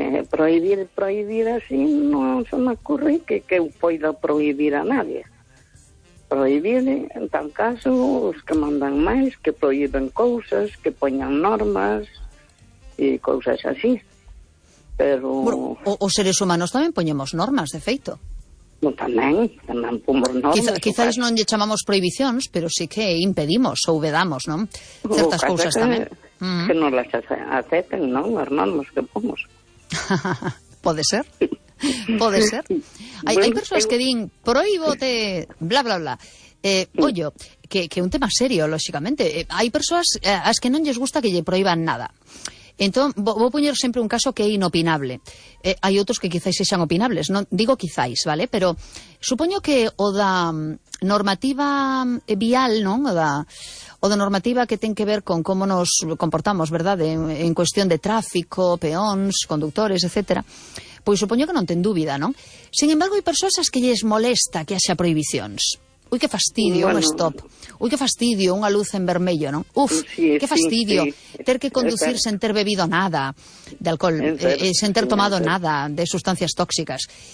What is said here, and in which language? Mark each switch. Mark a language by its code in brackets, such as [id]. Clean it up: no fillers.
[es] Prohibir así no se me ocurre que pueda prohibir a nadie. [gl] Prohibir, en tal caso, os que mandan máis, que prohíben cousas, que poñan normas e cousas así. Pero... Bueno, os seres humanos tamén poñemos normas, de feito. No, tamén pomos normas. Quizás non lle chamamos prohibicións, pero sí que impedimos ou vedamos, non? Certas cousas tamén. Que non las acepten, non? As normas que pomos. Pode ser. Pode ser. Hai persoas que din, prohíbote, bla, bla, bla. Ollo, que un tema serio, lóxicamente. Hai persoas as que non lles gusta que lle prohíban nada. Entón, vou poñer sempre un caso que é inopinable. Hai outros que quizáis sexan opinables. Non digo quizáis, vale? Pero supoño que o da normativa vial, non? O da normativa que ten que ver con como nos comportamos, verdade? En cuestión de tráfico, peóns, conductores, etcétera. Pois supoño que non ten dúbida, non? Sin embargo, hai persoas as que lles molesta que haxa prohibicións. Ui, que fastidio, bueno, un stop. Ui, que fastidio, unha luz en vermello, non? Uf, sí, que fastidio. Sí. Ter que conducir sen ter bebido nada de alcohol, sen ter tomado nada de sustancias tóxicas.